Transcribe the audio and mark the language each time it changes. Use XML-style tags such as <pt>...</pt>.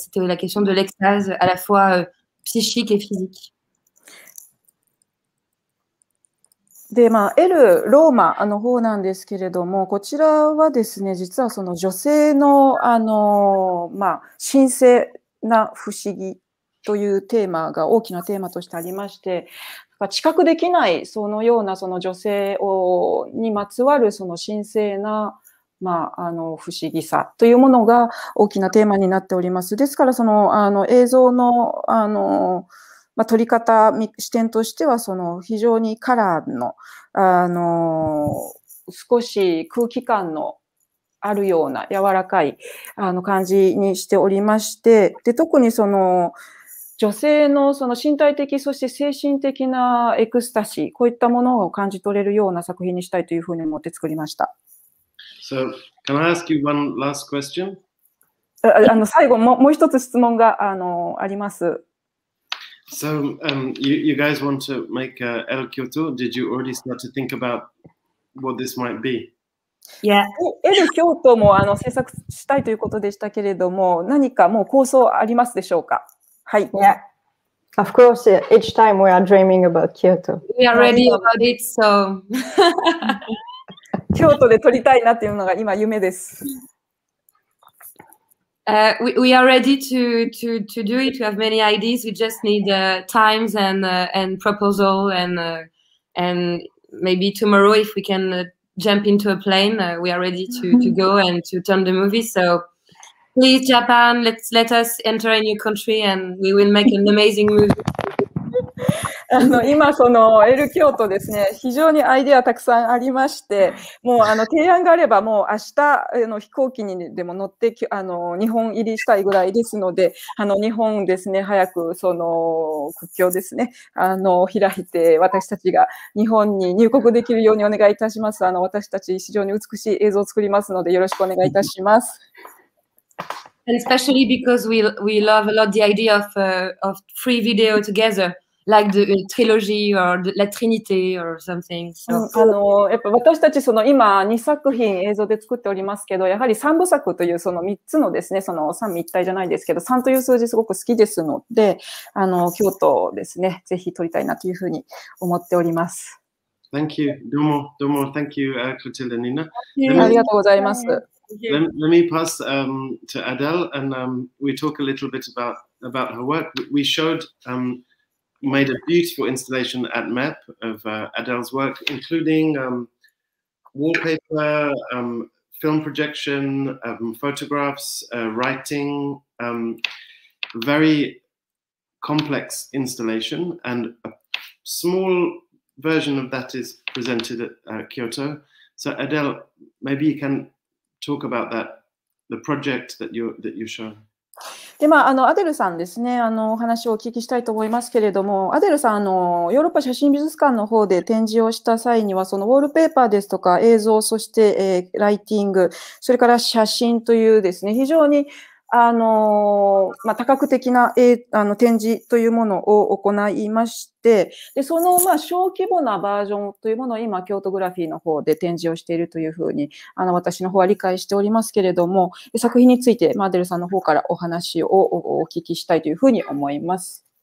<fr>C'était la question de l'extase à la fois psychique et physique.</fr> <ja>で、まあ、L ローマの方なんですけれども、こちらはですね、実はその女性の、まあ、神聖な不思議というテーマが大きなテーマとしてありまして、知覚できないそのようなその女性をにまつわるその神聖な、まあ、不思議さというものが大きなテーマになっております。ですから、その、映像の、まあ、撮り方、視点としては、その非常にカラーの、少し空気感のあるような柔らかい、感じにしておりまして、で、特にその女性のその身体的、そして精神的なエクスタシー、こういったものを感じ取れるような作品にしたいというふうに思って作りました。</ja> <en>So, can I ask you one last question?</en> <ja>最後、もう一つ質問が、あります。</ja> <en>So, you guys want to make El Kyoto? Did you already start to think about what this might be? Yeah.</en> <ja>El Kyoto も制作したいということでしたけれども、何かもう構想ありますでしょうか？はい。</ja> <en>Yeah. Of course, each time we are dreaming about Kyoto. We are ready about it, so.</en> <ja>京都で撮りたいなというのが今夢です。</ja> <en>We are ready to do it. We have many ideas. We just need times and proposal and maybe tomorrow if we can jump into a plane, we are ready to go and to turn the movie. So please, Japan, let us enter a new country and we will make an amazing movie.</en> <ja>今そのエル京都ですね、非常にアイデアたくさんありまして、もう提案があればもう明日の飛行機にでも乗って日本入りしたいぐらいですので、日本ですね、早くその国境ですね、開いて私たちが日本に入国できるようにお願いいたします。私たち非常に美しい映像を作りますのでよろしくお願いいたします。</ja> <en>And especially because we love a lot the idea of free video together. Like the trilogy or La Trinité or something. So,</en> <ja>やっぱ私たちその今2作品映像で作っておりますけど、やはり3部作というその3つのですね、その三密体じゃないですけど、3という数字すごく好きですので、京都ですね、ぜひ撮りたいなというふうに思っております。</ja> <en>Thank you.</en> <ja>どうも。</ja> <en>Thank you, Clotilde and Nina.</en> <ja>ありがとうございます。</ja> <en>Let me pass to Adele and we talk a little bit about her work. We showed made a beautiful installation at MEP of Adele's work, including wallpaper, film projection, photographs, writing, very complex installation, and a small version of that is presented at Kyoto. So Adele, maybe you can talk about that, the project that you're showing.</en> <ja>で、まあ、アデルさんですね、お話をお聞きしたいと思いますけれども、アデルさん、ヨーロッパ写真美術館の方で展示をした際には、そのウォールペーパーですとか映像、そして、ライティング、それから写真というですね、非常にまあ、多角的な、展示というものを行いまして、で、その、まあ、小規模なバージョンというものを今、京都グラフィーの方で展示をしているというふうに、私の方は理解しておりますけれども、作品について、マーデルさんの方からお話をお聞きしたいというふうに思います。</ja>